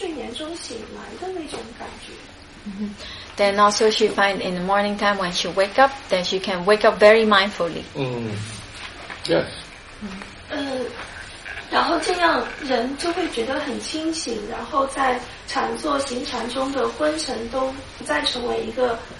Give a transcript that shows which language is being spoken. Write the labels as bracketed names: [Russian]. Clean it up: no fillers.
[Chinese] 当有这样的几次经验之后，我发现我每天早上都可以很，就是一种感觉是很觉知的，从睡眠中醒来的那种感觉。 [English] Then also she find in the morning time when she wake up, then she can wake up very mindfully. Yes. [Chinese] 然后这样人就会觉得很清醒，然后在禅坐行禅中的昏沉都不再成为一个。